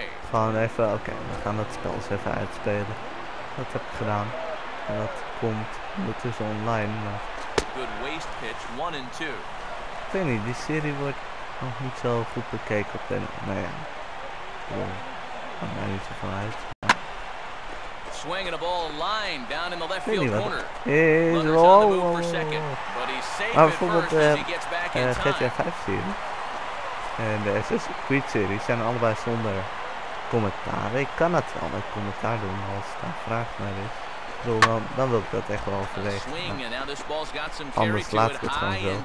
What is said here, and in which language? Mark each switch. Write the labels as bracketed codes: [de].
[nl] Gewoon even, oké, we gaan dat spel eens even uitspelen. Dat heb ik gedaan. En dat komt ondertussen online. Maar... [en] Good waste pitch, one and two. [nl] Ik weet niet, die serie wordt nog niet zo goed bekeken op de... Nou ja, dat kan mij niet zo van uit. [en] Swing and a ball line down in the left field corner. He's on the move for second, but he's safe at first as he gets back in time. [nl] GTA 5 series en de Assassin's Creed series zijn allebei zonder commentaar. Ik kan het wel met commentaar doen als het aan vraag naar is. Dan wil ik dat echt wel overwegen. Anders laat ik het gewoon zo.